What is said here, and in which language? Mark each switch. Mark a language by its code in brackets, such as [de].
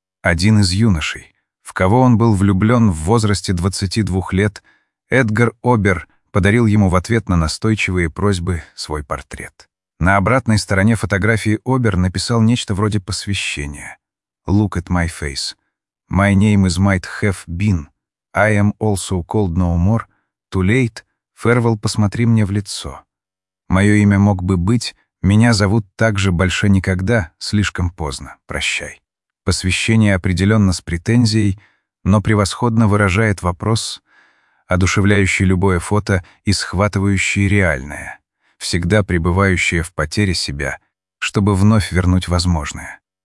[ru] Один из юношей, в кого он был влюблен в возрасте 22 лет, Эдгар Обер подарил ему в ответ на настойчивые просьбы свой портрет. На обратной стороне фотографии Обер написал нечто вроде посвящения. [en] «Look at my face. My name is might have been. I am also called no more. Too late. Farewell, [ru] посмотри мне в лицо. Мое имя мог бы быть, меня зовут также больше никогда, слишком поздно, прощай». Посвящение определенно с претензией, но превосходно выражает вопрос, одушевляющий любое фото и схватывающий реальное, всегда пребывающее в потере себя, чтобы вновь вернуть возможное.